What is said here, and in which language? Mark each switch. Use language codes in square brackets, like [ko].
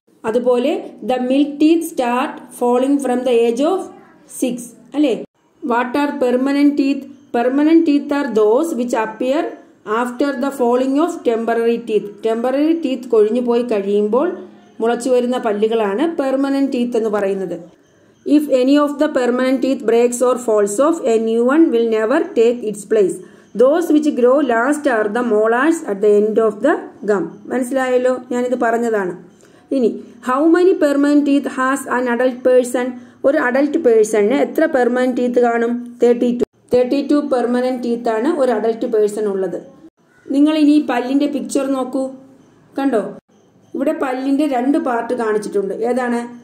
[en] അതുപോലെ the milk teeth start falling from the age of 6 അല്ലേ. What are permanent teeth? Permanent teeth are those which appear after the falling of temporary teeth. [ml] Temporary teeth കൊഴിഞ്ഞു പോയി കഴിയുമ്പോൾ മുളച്ചു വരുന്ന പല്ലുകളാണ് permanent teeth എന്ന് പറയുന്നത്. [en] If any of the permanent teeth breaks or falls off, a new one will never take its place. Those which grow last are the molars at the end of the gum. [ml] മനസ്സിലായല്ലോ ഞാനിത് പറഞ്ഞതാണ്. [en] ഇനി how many permanent teeth has an adult person. [ml] ഒരു adult person എത്ര permanent teeth കാണും? 32 permanent ടീത്താണ് ഒരു adult person ഉള്ളത്. നിങ്ങൾ ഇനി പല്ലിന്റെ പിക്ചർ നോക്കൂ. കണ്ടോ, ഇവിടെ പല്ലിന്റെ രണ്ട് പാർട്ട് കാണിച്ചിട്ടുണ്ട്. ഏതാണ്?